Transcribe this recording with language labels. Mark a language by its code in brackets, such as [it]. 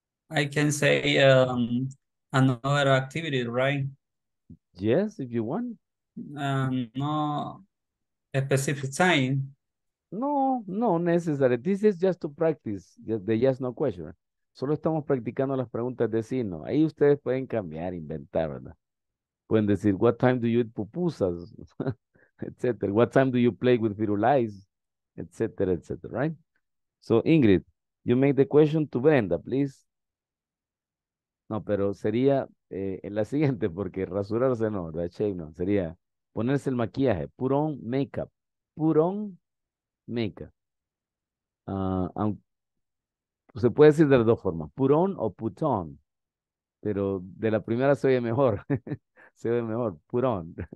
[en] I can say another activity, right? Yes, if you want. No specific time. No necessary. This is just to practice the yes no question. [es] Solo estamos practicando las preguntas de sí no. Ahí ustedes pueden cambiar, inventar, ¿verdad? Pueden decir, [en] what time do you eat pupusas? [es] Etc. [en] What time do you play with firulais? Etc. Etc. Right? So, Ingrid, you make the question to Brenda, please. [es] No, pero sería en la siguiente, porque rasurarse no, ¿verdad? Shave, no. Sería ponerse el maquillaje, [en] put on makeup. put on makeup. [es] Se puede decir de las dos formas, put on o put on, pero de la primera se oye mejor, se oye mejor, put on.